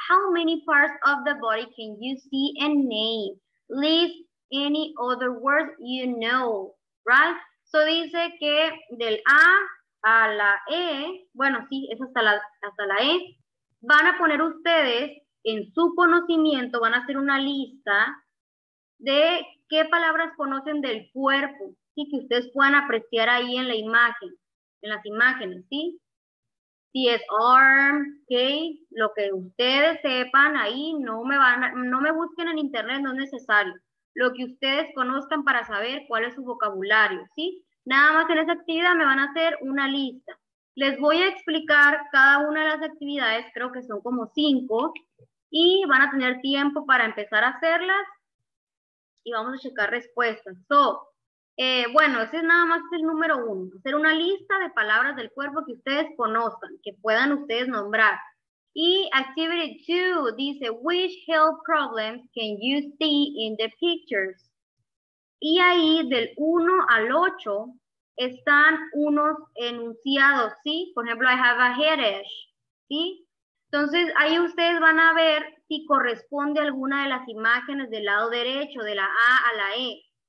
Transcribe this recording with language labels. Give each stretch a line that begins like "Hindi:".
English: How many parts of the body can you see and name? List any other words you know, right?
Spanish: So dice que del A a la E, bueno, sí, es hasta la E, van a poner ustedes en su conocimiento, van a hacer una lista de qué palabras conocen del cuerpo, ¿sí? Que ustedes puedan apreciar ahí en la imagen, en las imágenes, ¿sí? Si es arm, okay, lo que ustedes sepan ahí, no me busquen en internet, no es necesario. Lo que ustedes conozcan para saber cuál es su vocabulario, ¿sí? Nada más en esa actividad me van a hacer una lista. Les voy a explicar cada una de las actividades, creo que son como 5, y van a tener tiempo para empezar a hacerlas y vamos a checar respuestas. So, bueno, ese es nada más el número 1, hacer una lista de palabras del cuerpo que ustedes conozcan, que puedan ustedes nombrar. Y activity 2 dice,
English: which health problems can you see in the pictures?
Spanish: Y ahí del 1 al 8 están unos enunciados, ¿sí? Por ejemplo,
English: I have a headache,
Spanish: ¿sí? Entonces ahí ustedes van a ver si corresponde alguna de las imágenes del lado derecho, de la A a la E.